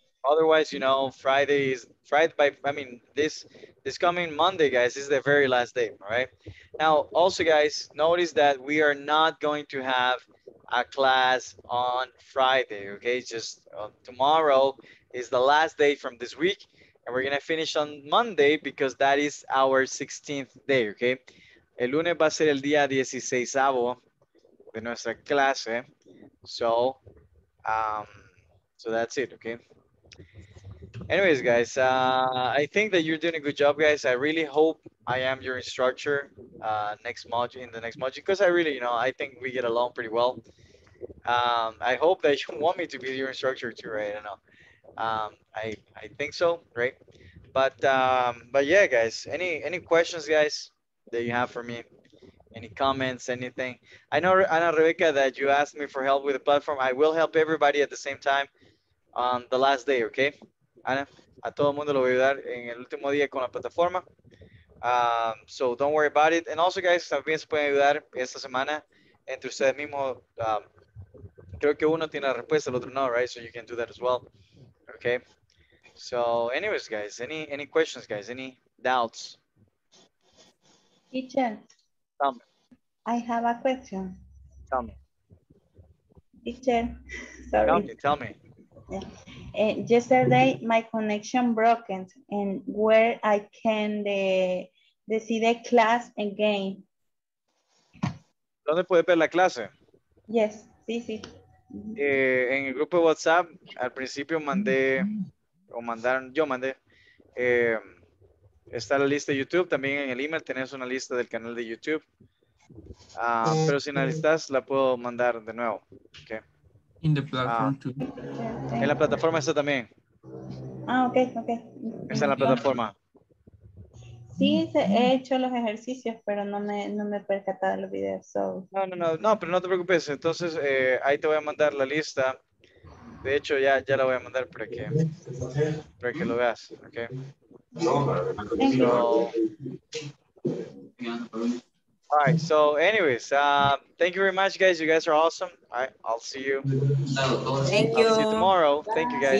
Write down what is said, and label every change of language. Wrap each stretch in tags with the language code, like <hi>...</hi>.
<en>Otherwise, you know, this coming Monday, guys, is the very last day, right? Now, also, guys, notice that we are not going to have a class on Friday, okay? Just tomorrow is the last day from this week, and we're going to finish on Monday because that is our 16th day, okay?</en> <es>El lunes va a ser el día 16avo de nuestra clase.</es> <en>So that's it, okay? Anyways, guys, I think that you're doing a good job, guys. I really hope I am your instructor in the next module, because I really, you know, I think we get along pretty well. I hope that you want me to be your instructor too, right? I don't know. I think so, right? But yeah, guys, any questions, guys, that you have for me? Any comments, anything? I know, Ana Rebeca, that you asked me for help with the platform. I will help everybody at the same time on the last day, okay?</en> <es>Ana, a todo mundo lo voy a ayudar en el último día con la plataforma.</es> <en>So don't worry about it. And also, guys,</en> <es>también se pueden ayudar esta semana entre ustedes mismos. Creo que uno tiene la respuesta, el otro no,</es> <en>right? So you can do that as well, okay? So anyways, guys, any questions, guys? Any doubts? Teacher, tell me. I have a question. Tell me. Teacher, sorry. Tell me. Yesterday, my connection broke, and where I can see the class again?</en> <es>¿Dónde puedes ver la clase?</es> <en>Yes, sí.</en> <es>En el grupo de WhatsApp, al principio mandé, o mandaron, yo mandé, está la lista de YouTube, también en el email tenés una lista del canal de YouTube. Pero si no estás, la puedo mandar de nuevo.</es> <en>Okay. In the platform too.</en> <es>En la plataforma está también. Ah, ok. Está en la plataforma. Sí, he hecho los ejercicios, pero no me he percatado de los videos.</es> <en>So.</en> <es>No, pero no te preocupes. Entonces, ahí te voy a mandar la lista. De hecho, ya la voy a mandar para que lo veas, ok.</es> <en>So, all right, so anyways, thank you very much, guys. You guys are awesome. All right, I'll see you. Thank you. I'll see you tomorrow. Bye. Thank you, guys.</en>